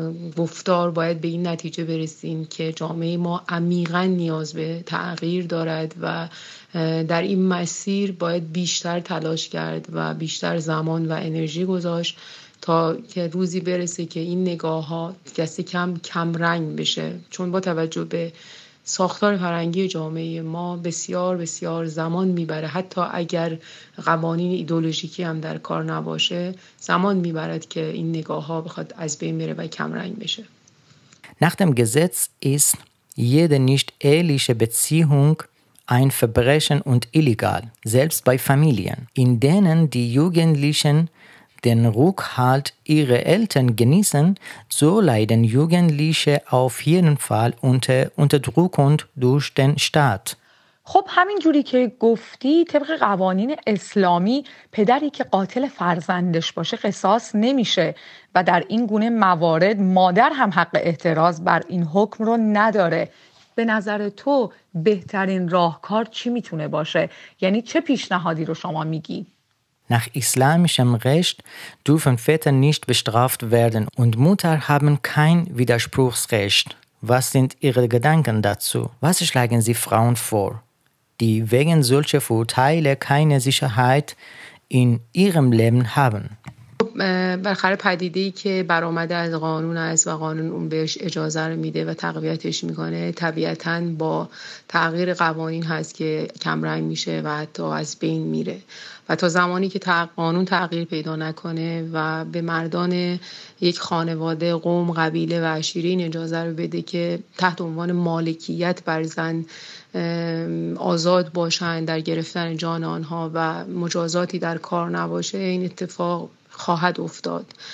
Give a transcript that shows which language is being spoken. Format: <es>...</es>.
<fa>گفتار باید به این نتیجه برسیم که جامعه ما عمیقا نیاز به تغییر دارد و در این مسیر باید بیشتر تلاش کرد و بیشتر زمان و انرژی گذاشت تا که روزی برسه که این نگاه ها دست کم رنگ بشه، چون با توجه به ساختار فرهنگی جامعه ما بسیار بسیار زمان میبره، حتی اگر قوانین ایدئولوژیکی هم در کار نباشه زمان میبرد که این نگاه ها بخواد از بین بره و کم رنگ بشه.</fa> <de>Nach dem Gesetz ist jede nicht-eheliche Beziehung ein Verbrechen und illegal, selbst bei Familien, in denen die Jugendlichen den Rückhalt ihre Eltern genießen, so leiden Jugendliche auf jeden Fall unter Unterdrückung durch den Staat.</de> <fa>خب همین جوری که گفتی، طبق قوانین اسلامی پدری که قاتل فرزندش باشه قصاص نمیشه و در این گونه موارد مادر هم حق اعتراض بر این حکم رو نداره. به نظر تو بهترین راهکار چی میتونه باشه؟ یعنی چه پیشنهادی رو شما میگی؟</fa> <de>Nach islamischem Recht dürfen Väter nicht bestraft werden und Mütter haben kein Widerspruchsrecht. Was sind Ihre Gedanken dazu? Was schlagen Sie Frauen vor, die wegen solcher Vorurteile keine Sicherheit in ihrem Leben haben?</de> <fa>برخلاف پدیده‌ای که برآمده از قانون است و قانون اون بهش اجازه رو میده و تقویتش میکنه، طبیعتاً با تغییر قوانین هست که کمرنگ میشه و حتی از بین میره و تا زمانی که قانون تغییر پیدا نکنه و به مردان یک خانواده، قوم، قبیله و عشیره این اجازه رو بده که تحت عنوان مالکیت بر زن آزاد باشن در گرفتن جان آنها و مجازاتی در کار نباشه، این اتفاق خواهد افتاد.</fa>